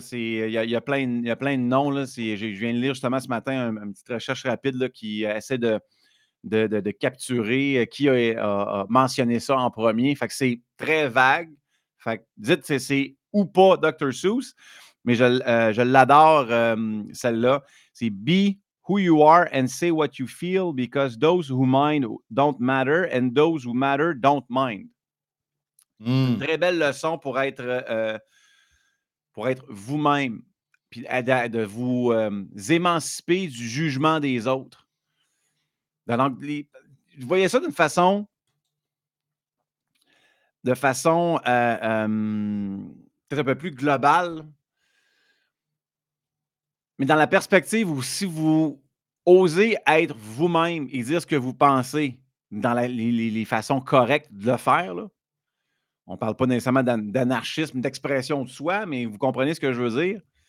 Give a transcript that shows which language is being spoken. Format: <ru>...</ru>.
<fr>Il y a plein de noms. Là, je viens de lire justement ce matin une petite recherche rapide là, qui essaie de, de capturer qui a mentionné ça en premier. Fait que c'est très vague. Fait que dites si c'est ou pas Dr. Seuss, mais je l'adore, celle-là.</fr> <en>C'est « Be who you are and say what you feel because those who mind don't matter and those who matter don't mind.</en> <fr>Mm. » Une très belle leçon pour être vous-même, puis de vous émanciper du jugement des autres. Donc, vous voyez ça d'une façon peut-être un peu plus globale, mais dans la perspective où si vous osez être vous-même et dire ce que vous pensez dans les façons correctes de le faire, là, on ne parle pas nécessairement d'anarchisme, d'expression de soi, mais vous comprenez ce que je veux dire.</fr>